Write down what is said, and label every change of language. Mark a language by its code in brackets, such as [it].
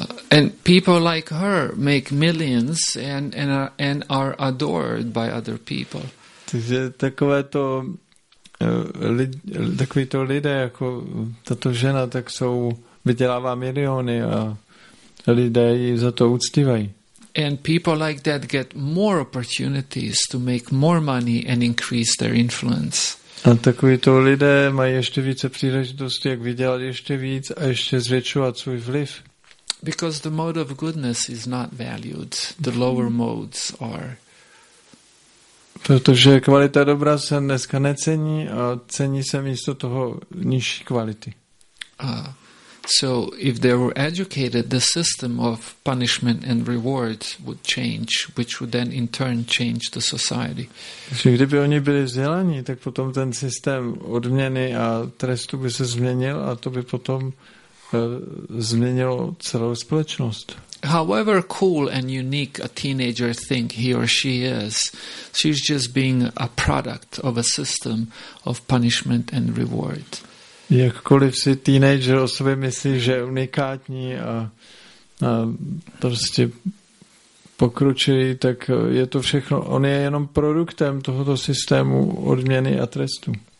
[en] And people like her make millions and are adored by other people. [cs] Takže takovéto lidé jako tato žena tak jsou vydělává miliony a lidé ji za to uctívají. [en] And people like that get more opportunities to make more money and increase their influence. [cs] A takovýto lidé mají ještě více příležitosti, jak vydělat ještě víc a ještě zvětšovat svůj vliv. [en] Because the mode of goodness is not valued. The lower modes are. [cs] Protože kvalita dobra se dneska necení a cení se místo toho nižší kvality. [en] So if they were educated, the system of punishment and reward would change, which would then in turn change the society. [cs] Takže kdyby oni byli vzdělaní, tak potom ten systém odměny a trestu by se změnil a to by potom změnilo celou společnost. [en] However cool and unique a teenager think he or she is, she's just being a product of a system of punishment and reward. [cs] Jakkoliv si teenager o sobě myslí, že je unikátní a prostě pokročilý, tak je to všechno, on je jenom produktem tohoto systému odměny a trestu.